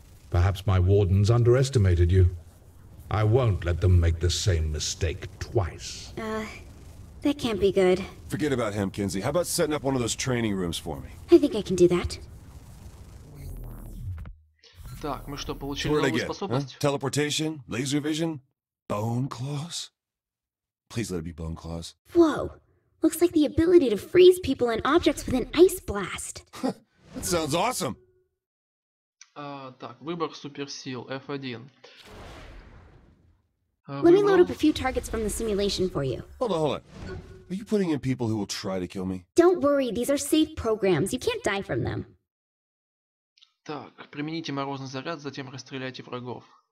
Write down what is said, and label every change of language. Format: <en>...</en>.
<en>Perhaps my wardens underestimated you. I won't let them make the same mistake twice. That can't be good. Forget about him, Kinsey. How about setting up one of those training rooms for me? I think I can do that.</en> <ru>Так, мы что, получили новую способность?</ru> <en>Teleportation? Laser vision? Bone claws? Please let it be bone claws. Whoa! Looks like the ability to freeze people and objects with an ice blast. That sounds awesome.</en> <ru>Так, выбор суперсил F1.</ru> <en>Let me load up a few targets from the simulation for you. Hold on. Are you putting in people who will try to kill me? Don't worry, these are safe programs. You can't die from them.</en> <ru>Так, примените морозный заряд, затем расстреляйте врагов.</ru>